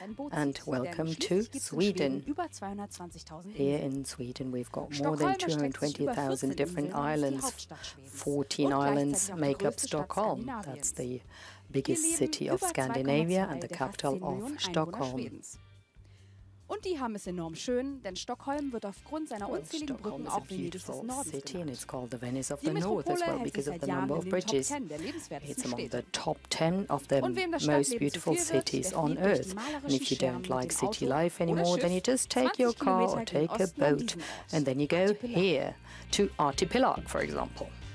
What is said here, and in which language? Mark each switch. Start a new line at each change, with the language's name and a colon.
English: And welcome to Sweden. Here in Sweden, we've got more than 220,000 different islands. 14 islands make up Stockholm. That's the biggest city of Scandinavia and the capital of Stockholm.
German: Und die haben es enorm schön, denn Stockholm wird aufgrund seiner unzähligen Brücken auch Venedig des Nordens genannt.
English: And it's called the Venice of the North as well because of the number of bridges. It's among the top 10 of the most beautiful cities on earth. And if you don't like city life anymore, then you just take your car or take a boat and then you go here to Artipelag, for example.